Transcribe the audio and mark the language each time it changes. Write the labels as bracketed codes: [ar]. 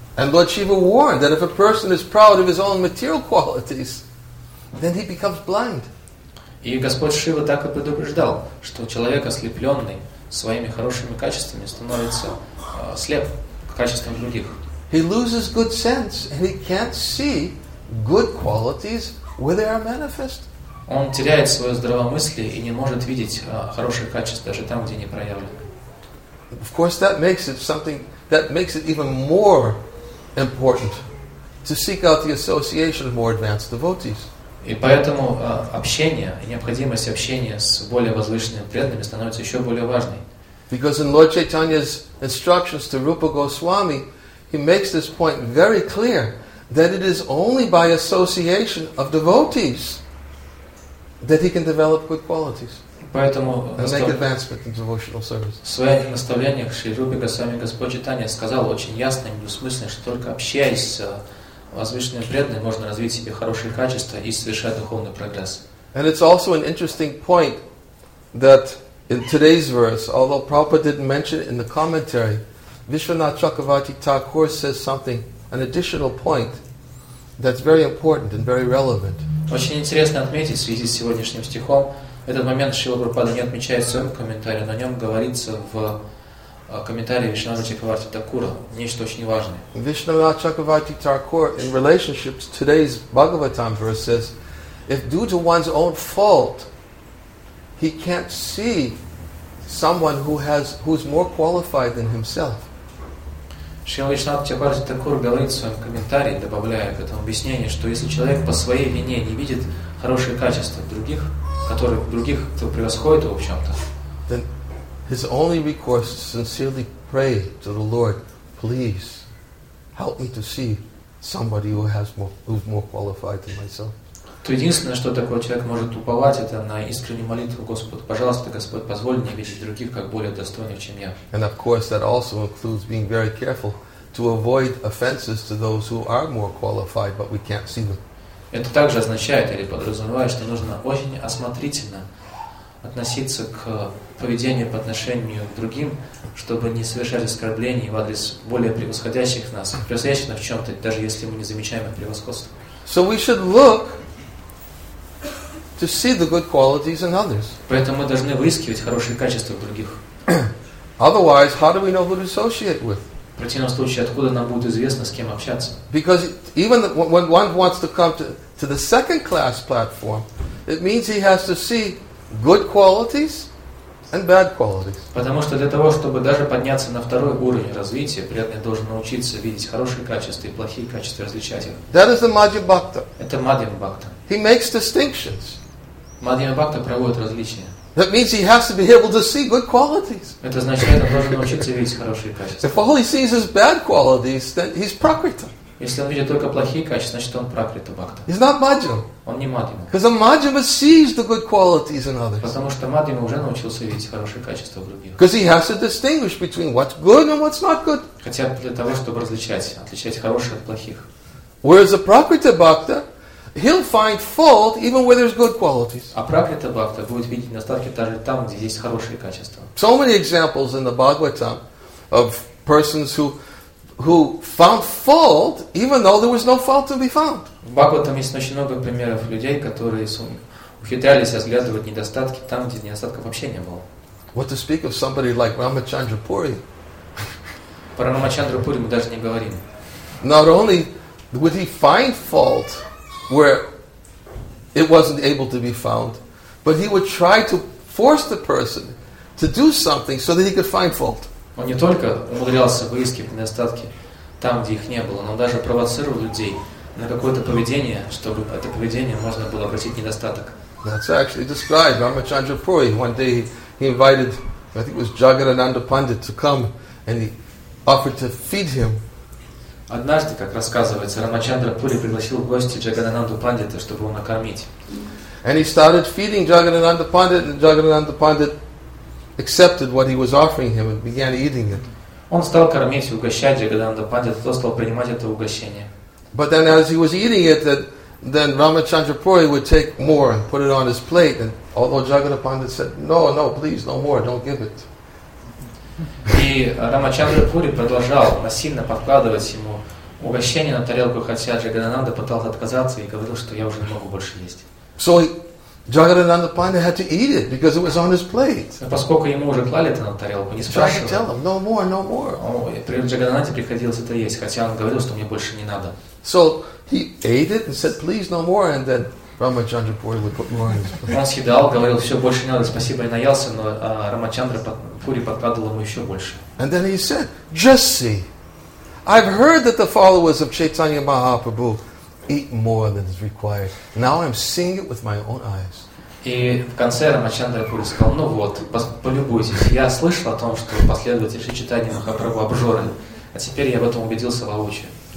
[en] And Lord Shiva warned that if a person is proud of his own material qualities, then he becomes blind. [ru] И Господь Шива так и предупреждал, что человек, ослепленный своими хорошими качествами, становится слеп к качествам других. [en] He loses good sense and he can't see good qualities where they are manifest. [ru] Он теряет свое здравомыслие и не может видеть хорошие качества даже там, где не проявлены. [en] Of course, that makes it something that makes it even more important to seek out the association of more advanced devotees. [ru] И поэтому общение и необходимость общения с более возвышенными преданными становится еще более важной. [en] Because in Lord Chaitanya's instructions to Rupa Goswami, he makes this point very clear. That it is only by association of devotees that he can develop good qualities and make advancement in devotional service. [ru] В своих наставлениях Шри Рупа Госвами Господь Чайтанья сказал очень ясно и недвусмысленно, что только общаясь с возвышенными преданными можно развить себе хорошие качества и совершать духовный прогресс. [en] And it's also an interesting point that in today's verse, although Prabhupada didn't mention it in the commentary, Vishwanath Chakravarti Thakur says something. An additional point that's very important and very relevant. [ru] Очень интересно отметить в связи с сегодняшним стихом этот момент. Шрила Прабхупада не отмечает в своем комментарии, но о нем говорится в комментарии Вишнава Чакраварти Такура. Нечто очень важное. [en] Вишнава Чакраварти Такур, in relationship to today's Bhagavatam verse, says, if due to one's own fault he can't see someone who's more qualified than himself. [ru] Шрила Вишнава Чакраварти Такур говорит в своем комментарии, добавляя к этому объяснение, что если человек по своей вине не видит хорошие качества других, которых других, то превосходит его в чем-то. [en] Then his only recourse is sincerely pray to the Lord, please help me to see somebody who has more, who's more qualified than myself. [ru] То единственное, что такой человек может уповать, это на искреннюю молитву Господу. Пожалуйста, Господь, позволь мне видеть других как более достойных, чем я. [en] And of course, that also includes being very careful to avoid offenses to those who are more qualified, but we can't see them. [ru] Это также означает или подразумевает, что нужно очень осмотрительно относиться к поведению по отношению к другим, чтобы не совершать оскорблений в адрес более превосходящих нас, превосходящих в чем-то, даже если мы не замечаем их превосходство. [en] So we should look to see the good qualities in others. [ru] Поэтому мы должны выискивать хорошие качества в других. [en] Otherwise, how do we know who to associate with? [ru] В противном случае, откуда нам будет известно, с кем общаться? [en] Because even when one wants to come to the second class platform, it means he has to see good qualities and bad qualities. [ru] Потому что для того, чтобы даже подняться на второй уровень развития, преданный должен научиться видеть хорошие качества и плохие качества, различать их. [en] That is the Madhyamabhakta. [ru] Это Madhyamabhakta. [en] He makes distinctions. [ru] Madhyamabhakta проводит различия. [en] That means he has to be able to see good qualities. [ru] Это означает, он должен научиться видеть хорошие качества. [en] If all he sees is bad qualities, then he's Prakriti. [ru] Если он видит только плохие качества, значит он Prakriti Bhakta. [en] He's not Madhyam. [ru] Он не Madhyam. [en] Because a Madhyam sees the good qualities in others. [ru] Потому что Madhyam уже научился видеть хорошие качества в других. [en] Because he has to distinguish between what's good and what's not good. [ru] Хотя для того, чтобы отличать хорошие от плохих. [en] Whereas a Prakriti Bhakta, he'll find fault even where there's good qualities. [ru] А Prakriti Bhakta будет видеть недостатки даже там, где есть хорошие качества. [en] So many examples in the Bhagavatam of persons who found fault even though there was no fault to be found. [ru] В Бхагаватам есть очень много примеров людей, которые ухитрялись разглядывать недостатки там, где недостатков вообще не было. [en] What to speak of somebody like Ramachandra Puri? [ru] Про Рамачандру Пури мы даже не говорим. [en] Not only would he find fault where it wasn't able to be found, but he would try to force the person to do something so that he could find fault. [ru] Он не только умудрялся выискивать недостатки там, где их не было, но даже провоцировал людей на какое-то поведение, чтобы это поведение можно было обратить в недостаток. [en] That's actually described. Ramachandra Puri, one day he invited, I think it was Jagadananda Pandit to come, and he offered to feed him. [ru] Однажды, как рассказывается, Рамачандра Пури пригласил в гости Джагадананду Пандита, чтобы его накормить. [en] And he started feeding Jagadananda Pandit, and Jagadananda Pandit accepted what he was offering him and began eating it. [ru] Он стал кормить и угощать Джагадананду Пандита, тот стал принимать это угощение. [en] But then as he was eating it, then Рамачандра Пури would take more and put it on his plate, and although Jagadananda Pandit said, no, please, no more, don't give it. [ru] И Рамачандра Пури продолжал насильно подкладывать ему угощение на тарелку, хотя Джагадананда пытался отказаться и говорил, что я уже не могу больше есть. [en] So Jagadananda Pandit had to eat it because it was on his plate. [ru] А поскольку ему уже клали это на тарелку, не спрашивал. [en] Tell him, no more. [ru] При Джагадананде приходилось это есть, хотя он говорил, что мне больше не надо. [en] So he ate it and said, please, no more, and then Рамачандра Пури would put more on his plate. [ru] Он съедал, говорил, все, больше не надо, спасибо, я наелся, но Рамачандра Пури подкладывал ему еще больше. [en] And then he said, just see, I've heard that the followers of Chaitanya Mahaprabhu eat more than is required. Now I'm seeing it with my own eyes. [ru] И в конце Рамачандра Пури сказал, ну вот, полюбуйтесь, я слышал о том, что последователи Чайтанья Махапрабху обжоры, а теперь я в этом убедился воочию.